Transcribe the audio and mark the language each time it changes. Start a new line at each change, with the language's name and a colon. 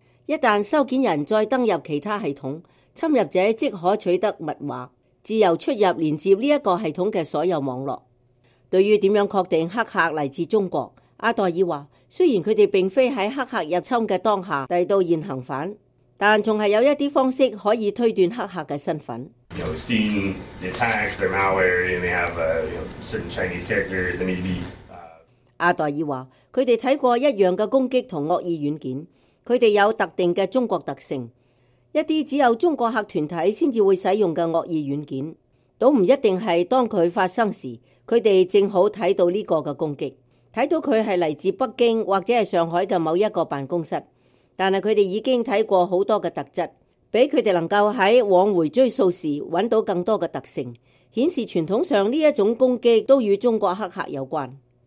Chinese: 一旦收件人再登入其他系统，侵入者即可取得密码。自由出入连接这个系统的所有网络。对于怎样确定黑客来自中国，阿黛尔说，虽然他们并非在黑客入侵的当下递到现行犯，但还是有一些方式可以推断黑客的身份。
English: You know, seen the attacks, their malware, and they have certain Chinese characters, and maybe.
Chinese: 阿黛尔说，他们看过一样的攻击和恶意软件，他们有特定的中国特性。一些只有中国客团体才会使用的恶意软件，都不一定是当它发生时，他们正好看到这个攻击，看到它是来自北京或者是上海的某一个办公室，但是他们已经看过很多的特质，比他们能够在往回追溯时找到更多的特性，显示传统上这种攻击都与中国黑客有关。